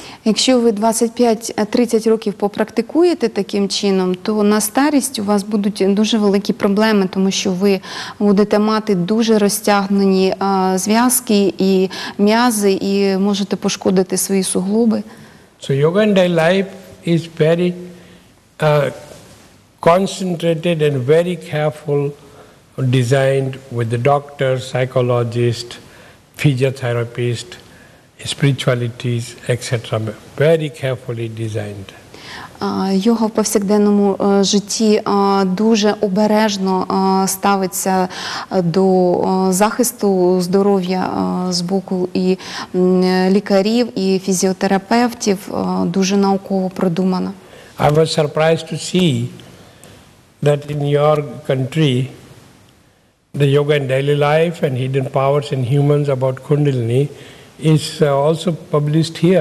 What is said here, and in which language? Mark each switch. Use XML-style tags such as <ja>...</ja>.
<uk>Якщо ви 25-30 років попрактикуєте таким чином, то на старість у вас будуть дуже великі проблеми, тому що ви будете мати дуже розтягнені зв'язки і м'язи, і можете пошкодити свої суглоби.</uk> <en>So yoga and daily life is very concentrated and very careful designed with the doctor, psychologist, physiotherapist, spiritualities, etc. Very carefully designed.</en> <uk>Йога в повсякденному житті дуже обережно ставиться до захисту здоров'я з боку і лікарів, і фізіотерапевтів, дуже науково продумано.</uk> <en>I was surprised to see that in your country the yoga in daily life and hidden powers in humans about kundalini is also published here.</en>